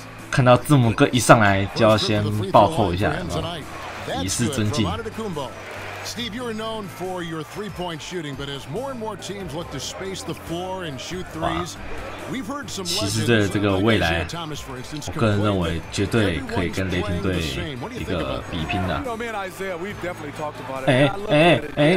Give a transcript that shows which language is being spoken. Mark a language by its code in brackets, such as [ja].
[zh] 看到字母哥一上来就要先暴扣一下，有没有？以示尊敬。 [en] Steve, you are known for your three-point shooting, but as more and more teams look to space the floor and shoot threes, we've heard some legends. [zh] 其实这个未来，我个人认为绝对可以跟雷霆队一个比拼的。